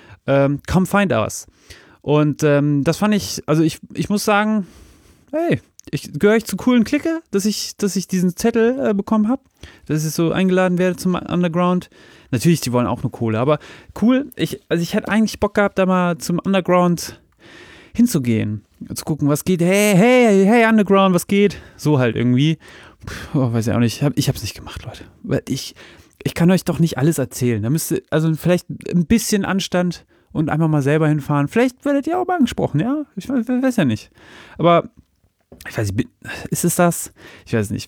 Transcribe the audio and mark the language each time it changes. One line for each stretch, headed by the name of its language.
English: Come find us.
German: Und das fand ich, also ich muss sagen, hey, gehöre ich zu coolen Clique, dass ich diesen Zettel bekommen habe, dass ich so eingeladen werde zum Underground. Natürlich, die wollen auch nur Kohle, aber cool. Ich hätte eigentlich Bock gehabt, da mal zum Underground hinzugehen, zu gucken, was geht. Hey, Underground, was geht? So halt irgendwie. Weiß ich auch nicht. Ich habe es nicht gemacht, Leute. Ich kann euch doch nicht alles erzählen. Da müsst ihr, also vielleicht ein bisschen Anstand und einfach mal selber hinfahren. Vielleicht werdet ihr auch mal angesprochen, ja? Ich weiß ja nicht. Aber ich weiß nicht, ist es das? Ich weiß nicht.